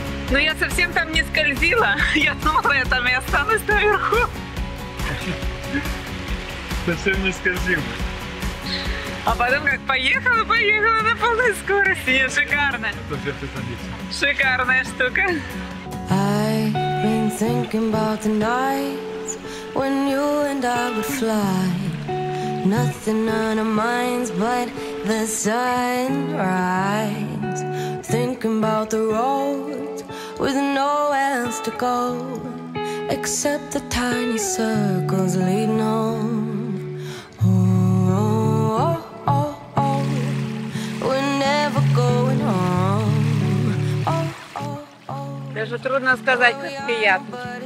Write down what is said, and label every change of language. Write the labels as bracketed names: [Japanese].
[Russian] Ну я совсем там не скользила. Я думала, я там и останусь наверху. Совсем не скользила. А потом как поехала на полной скорости. Нет, шикарно. Шикарная штука. [English] I've been thinking about the nights when you and I would fly. Nothing on our minds but the sunrise. Thinking about the road. With no else to go except the tiny circles leading home. Oh, oh, oh, oh, we're never going home. Oh, oh, oh. [Russian] Даже трудно сказать, как приятно.